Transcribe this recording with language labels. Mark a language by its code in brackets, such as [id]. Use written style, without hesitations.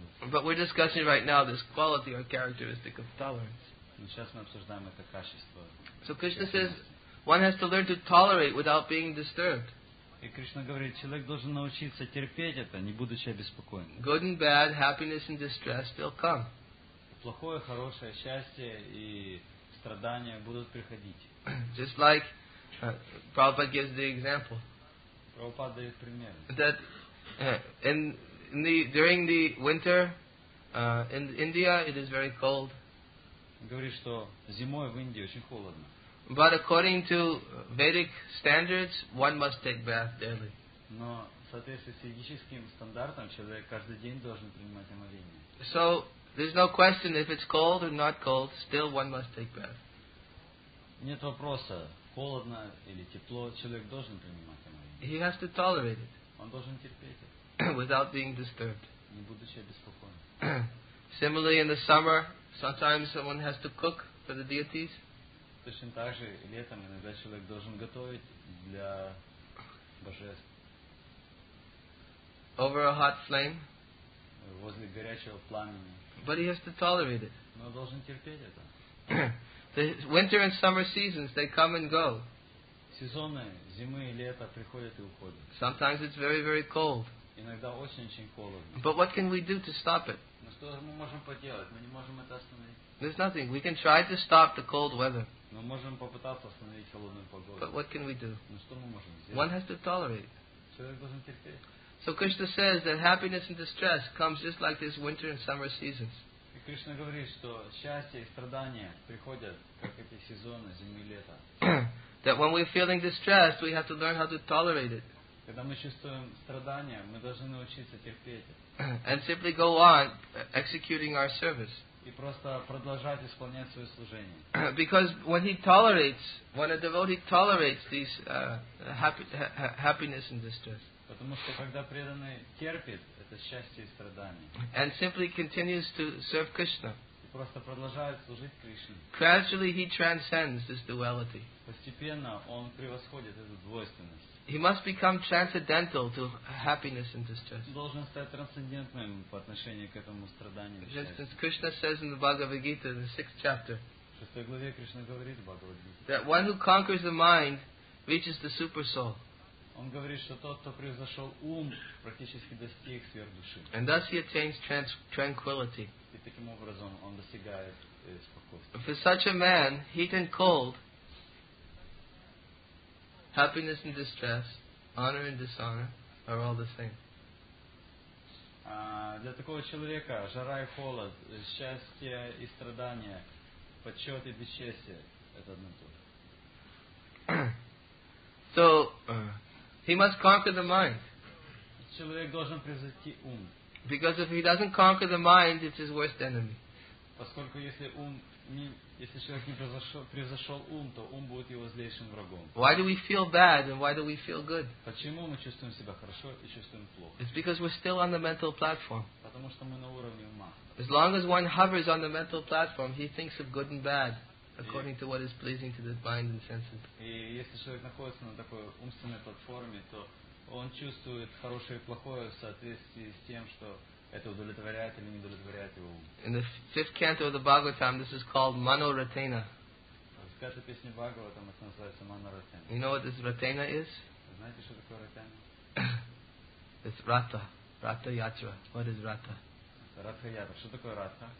[en] But we're discussing right now this quality or characteristic of tolerance. So Krishna says one has to learn to tolerate without being disturbed. [ru] И Кришна говорит, человек должен научиться терпеть это, не будучи обеспокоенным. [en] Good and bad, happiness and distress, they'll come. [ru] Плохое, хорошее, счастье и страдания будут приходить. [en] Just like Prabhupada gives the example. [ru] Прабхупада дает пример. [en] That during the winter in India it is very cold. [ru] Говорит, что зимой в Индии очень холодно. [en] But according to Vedic standards, one must take bath daily. [ru] Но соответствуя ведическим стандартам, человек каждый день должен принимать омовение. [en] So there's no question if it's cold or not cold, still one must take bath. [ru] Нет вопроса, холодно или тепло, человек должен принимать омовение. [en] He has to tolerate it. [ru] Он должен терпеть это. [en] Without being disturbed. [ru] Не будучи обеспокоенным. [en] Similarly, in the summer, sometimes someone has to cook for the deities. [ru] Точно так же летом иногда человек должен готовить для божеств. [en] Over a hot flame. [ru] Возле горячего пламени. [en] But he has to tolerate it. [ru] Но должен терпеть это. [en] The winter and summer seasons, they come and go. [ru] Сезоны зимы и лета приходят и уходят. [en] Sometimes it's very, very cold. [ru] Иногда очень-очень холодно. [en] But what can we do to stop it? [ru] Но что мы можем поделать? Мы не можем это остановить. [en] There's nothing. We can try to stop the cold weather. [ru] Мы можем попытаться остановить холодную погоду. [en] But what can we do? [ru] Но что мы можем сделать? [en] One has to tolerate. [ru] Человек должен терпеть. [en] So Krishna says that happiness and distress comes just like this winter and summer seasons. [ru] И Кришна говорит, что счастье и страдания приходят как эти сезоны зимы и лета. [en] That when we're feeling distressed, we have to learn how to tolerate it. [ru] Когда мы чувствуем страдания, мы должны научиться терпеть это. [en] And simply go on executing our service. [ru] И просто продолжать исполнять свое служение. [en] Because when a devotee tolerates these happiness and distress. [ru] Потому что когда преданный терпит это счастье и страдание. [en] And simply continues to serve Krishna. [ru] И просто продолжает служить Кришне. [en] Gradually he transcends this duality. [ru] Постепенно он превосходит эту двойственность. [en] He must become transcendental to happiness and distress. [ru] Должен стать трансцендентным по отношению к этому страданию. [en] Just as Krishna says in the Bhagavad Gita, the 6th chapter. [ru] В 6 главе Кришна говорит в Бхагавад Гите. [en] That one who conquers the mind reaches the super soul. [ru] Он говорит, что тот, кто превзошел ум, практически достиг сверхдуши. [en] And thus he attains tranquility. [ru] И таким образом он достигает спокойствия. [en] For such a man, heat and cold. Happiness and distress, honor and dishonor, are all the same. [ru] Для такого человека жара и холод, счастье и страдания, почет и бесчестие – это одно и то же. [en] So, he must conquer the mind. [ru] Человек должен превзойти ум. [en] Because if he doesn't conquer the mind, it's his worst enemy. [ru] Поскольку если ум не если человек не превзошел ум, то ум будет его злейшим врагом. [en] Why do we feel bad and why do we feel good? [ru] Почему мы чувствуем себя хорошо и чувствуем плохо? [en] It's because we're still on the mental platform. [ru] Потому что мы на уровне ума. [en] As long as one hovers on the mental platform, he thinks of good and bad according to what is pleasing to the mind and senses. [ru] И если человек находится на такой умственной платформе, то он чувствует хорошее и плохое в соответствии с тем, что это удовлетворяет или не удовлетворяет его ум. [en] In the fifth canto of the Bhagavatam, this is called Mano-Ratena. [ru] В пятой песне Бхагаватам это называется Mano-Ratena. [en] You know what this Ratena is? [ru] Знаете, что такое Ratena? [en] It's Ratha. Ratha-Yatra. What is Ratha? [ru] Ratha-Yatra. Что такое Ratha?